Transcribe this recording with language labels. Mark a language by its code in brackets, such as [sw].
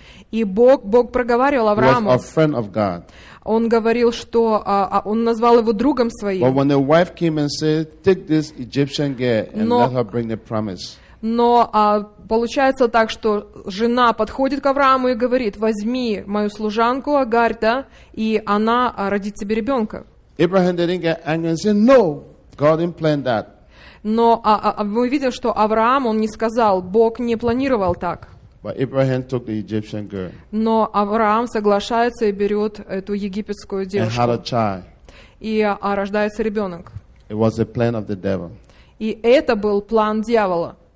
[ru] И Бог проговаривал Аврааму. Он говорил, что он назвал его другом своим. Получается так, что жена подходит к Аврааму и говорит: возьми мою служанку Агарь, да, и она родит тебе ребенка. [en] Abraham didn't get angry and say, no, God didn't plan that. [ru] Но мы видим, что Авраам, он не сказал, Бог не планировал так. [en] But Abraham took the Egyptian girl. [ru] Но Авраам соглашается и берет эту египетскую девушку. [en] And had a child. [ru] И рождается ребенок. [en] It was a plan of the devil. [ru] И это был план дьявола.